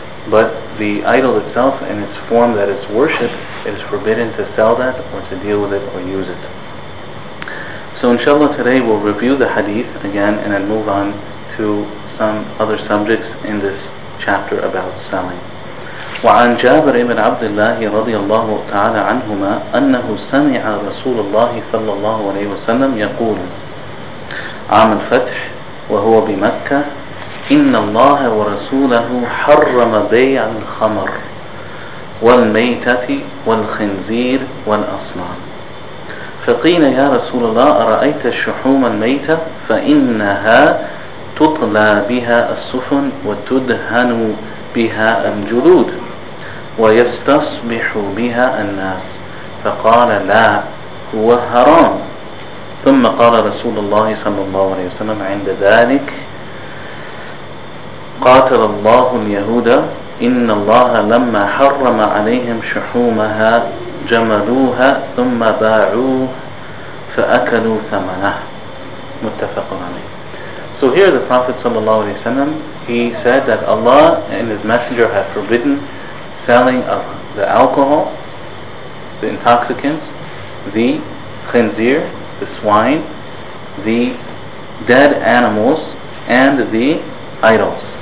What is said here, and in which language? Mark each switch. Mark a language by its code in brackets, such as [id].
[en] But the idol itself, in its form that it's worshipped, it is forbidden to sell that or to deal with it or use it. So inshallah today we'll review the hadith again and then move on to some other subjects in this chapter about selling. [ar] وعن جابر بن عبد الله رضي الله تعالى عنهما أنه سمع رسول الله صلى الله عليه وسلم يقول عام الفتح وهو بمكة إن الله ورسوله حرم بيع الخمر والميتة والخنزير والأصنام. فقيل يا رسول الله أرأيت الشحوم الميتة فإنها تطلى بها السفن وتدهن بها الجلود ويستصبح بها الناس، فقال لا هو حرام. ثم قال رسول الله صلى الله عليه وسلم عند ذلك قاتل الله اليهود، إن الله لما حرم عليهم شحومها جملوها ثم باعوه فأكلوا ثمنه. متفق عليه. [en] So here the Prophet ﷺ, he said that Allah and His Messenger have forbidden selling of the alcohol, the intoxicants, the khinzir, the swine, the dead animals, and the idols.